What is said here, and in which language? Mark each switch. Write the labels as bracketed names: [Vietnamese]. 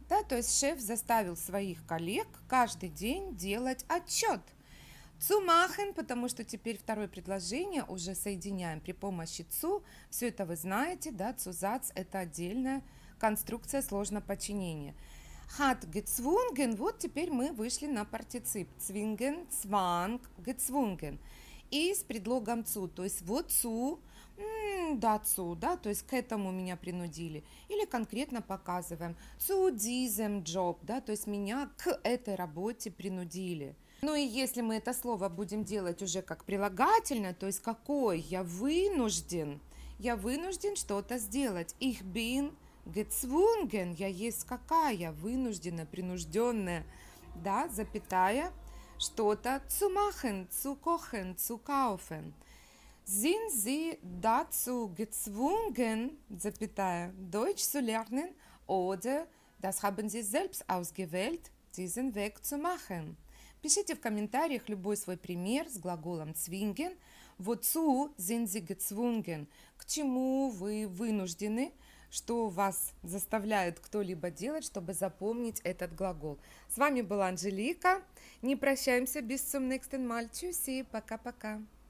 [Russian] Да, то есть шеф заставил своих коллег каждый день делать отчет. [German] Zu machen, [Russian] потому что теперь второе предложение уже соединяем при помощи zu. Все это вы знаете, да, zu Satz – это отдельная конструкция сложного подчинения. [German] Hat gezwungen, [Russian] вот теперь мы вышли на партицип. [German] Zwingen, zwang, gezwungen. [Russian] И с предлогом zu, то есть вот zu, dazu, да, то есть к этому меня принудили. Или конкретно показываем [German] zu diesem Job, [Russian] да, то есть меня к этой работе принудили. Ну и если мы это слово будем делать уже как прилагательное, то есть какой я вынужден что-то сделать. [German] Ich bin gezwungen, [Russian] я есть какая, вынужденная, принужденная, да, запятая. Что-то [German] zu machen, zu kochen, zu kaufen. Sind Sie dazu gezwungen, Deutsch zu lernen, oder das haben Sie selbst ausgewählt, diesen Weg zu machen? [Russian] Пишите в комментариях любой свой пример с глаголом zwingen. [German] Wozu sind Sie gezwungen? [Russian] К чему вы вынуждены? Что вас заставляет кто-либо делать, чтобы запомнить этот глагол. С вами была Анжелика. Не прощаемся. [German] Bis zum nächsten Mal. Tschüssi. [Russian] Пока-пока.